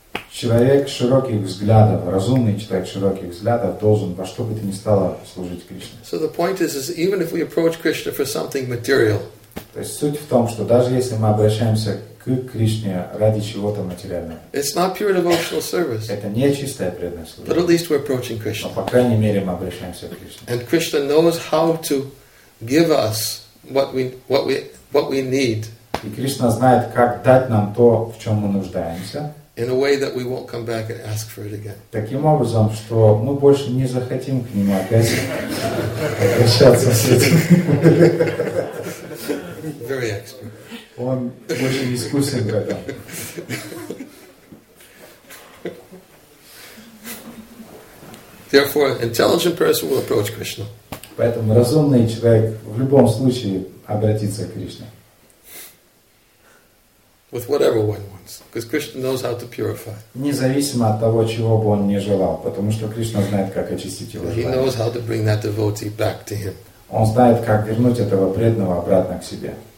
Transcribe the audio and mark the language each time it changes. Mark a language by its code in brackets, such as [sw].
[ru] Человек широких взглядов, разумный человек широких взглядов должен во что бы то ни стало служить Кришне. [en] So the point is even if we approach Krishna for something material. [ru] То есть суть в том, что даже если мы обращаемся к Кришне ради чего-то материального. [en] It's not pure devotional service. [ru] Это не чистое преданное служение. [en] But at least we're approaching Krishna. [ru] Но по крайней мере мы обращаемся к Кришне. [en] And Krishna knows how to give us what we need. [ru] И Кришна знает, как дать нам то, в чем мы нуждаемся. [en] In a way that we won't come back and ask for it again. [ru] Таким образом, что мы больше не захотим к нему опять обращаться с этим. [en] Very expert. [ru] Он очень искусен в этом. [en] Therefore, intelligent person will approach Krishna. [ru] Поэтому разумный человек в любом случае обратится к Кришне. [en] With whatever one wants, because Krishna knows how to purify. [ru] Независимо от того, чего бы он не желал, потому что Кришна знает, как очистить его желание. [en] He knows how to bring that devotee back to him. [ru] Он знает, как вернуть этого преданного обратно к себе.